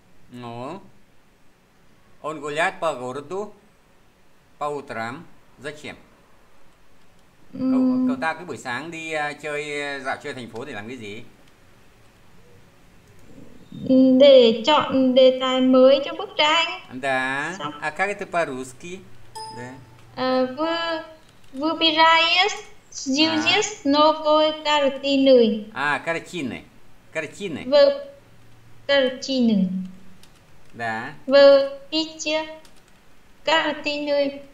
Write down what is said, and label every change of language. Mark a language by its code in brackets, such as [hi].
[ru] Ну, он гуляет по городу по утрам. Зачем? [vi] Cậu ta cứ buổi sáng đi chơi dạo chơi thành phố để làm cái gì? Để chọn đề tài mới cho bức tranh [ru] Да, [vi] xong. [ru] а как это по-русски? Да. Вы выбираете новую картину. Картины. Картины. Да. Вы пишете картину.